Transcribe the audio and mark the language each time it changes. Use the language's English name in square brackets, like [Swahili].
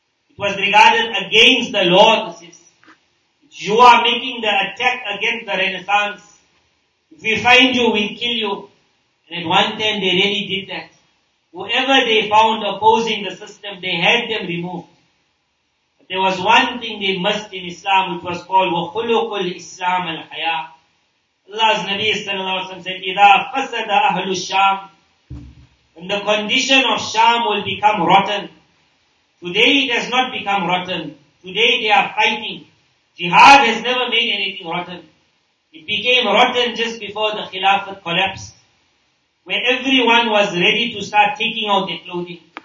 [English] It was regarded against the law. This is, you are making the attack against the Renaissance. If we find you, we'll kill you. And at one time, they really did that. Whoever they found opposing the system, they had them removed. But there was one thing they missed in Islam, which was called [Arabic] وَخُلُقُ الْإِسْلَامَ الْحَيَا. [English] Allah's Nabi said, [Arabic] إِذَا فَسَدَ أَهْلُ الشَّامِ. [English] When the condition of Sham will become rotten. Today it has not become rotten. Today they are fighting. Jihad has never made anything rotten. It became rotten just before the Khilafat collapsed. Where everyone was ready to start taking out their clothing.